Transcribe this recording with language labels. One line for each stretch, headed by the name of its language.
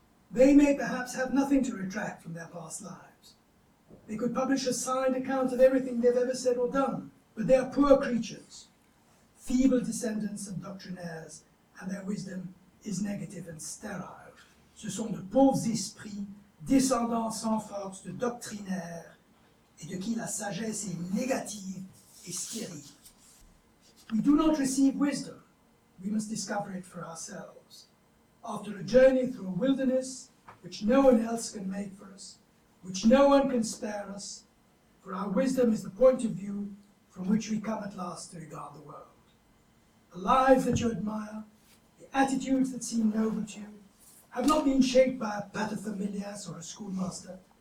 English: They may perhaps have nothing to retract from their past lives. They could publish a signed account of everything they've ever said or done, but they are poor creatures, feeble descendants of doctrinaires, and their wisdom is negative and sterile.
French: Ce sont de pauvres esprits, descendants sans force de doctrinaires, et de qui la sagesse est négative et stérile.
English: We do not receive wisdom, we must discover it for ourselves. After a journey through a wilderness which no one else can make for us, which no one can spare us, for our wisdom is the point of view from which we come at last to regard the world. The lives that you admire, the attitudes that seem noble to you, have not been shaped by a paterfamilias or a schoolmaster.